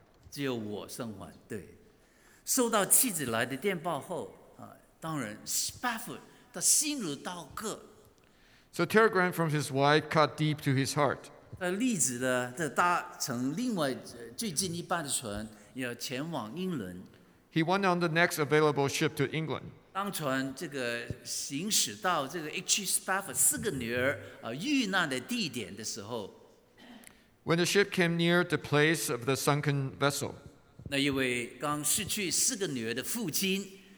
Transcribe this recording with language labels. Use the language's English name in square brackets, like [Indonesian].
[Chinese] 只有我生还。对，收到妻子来的电报后当然 Spafford 他心如刀割。 [English] So a telegram from his wife cut deep to his heart. [Chinese] 立即的搭乘另外最近一班的船要前往英伦。 [English] He went on the next available ship to England. [Chinese] 当船这个行驶到这个 H. Spafford 四个女儿遇难的地点的时候。 [English] When the ship came near the place of the sunken vessel. [Chinese] 那一位刚失去四个女儿的父亲。